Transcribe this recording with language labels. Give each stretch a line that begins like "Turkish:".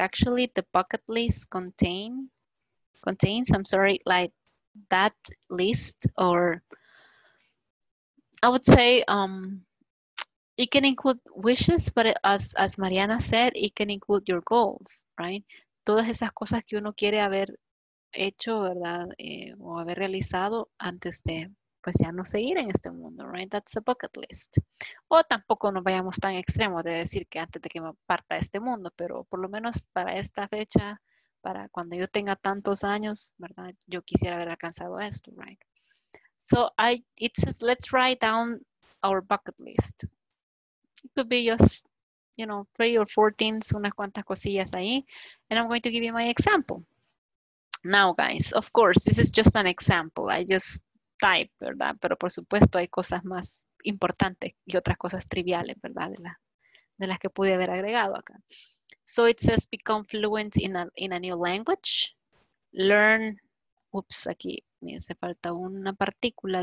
English: Actually, the bucket list contains, I'm sorry, like that list, or I would say it can include wishes, but as Mariana said, it can include your goals, right?
Spanish: Todas esas cosas que uno quiere haber hecho, ¿verdad? O haber realizado antes de, pues ya no seguir en este mundo,
English: right? That's a bucket list.
Spanish: O tampoco nos vayamos tan extremo de decir que antes de que me parta este mundo, pero por lo menos para esta fecha, para cuando yo tenga tantos años, ¿verdad? Yo quisiera haber alcanzado esto,
English: right? So, it says, let's write down our bucket list. It could be just, you know, 3 or 4 things,
Spanish: unas cuantas cosillas ahí.
English: And I'm going to give you my example. Now, guys, of course, this is just an example. I just type,
Spanish: ¿verdad? Pero, por supuesto, hay cosas más importantes y otras cosas triviales, ¿verdad? De las que pude haber agregado acá.
English: So, it says, become fluent in a new language. Learn, oops,
Spanish: aquí me hace falta una partícula.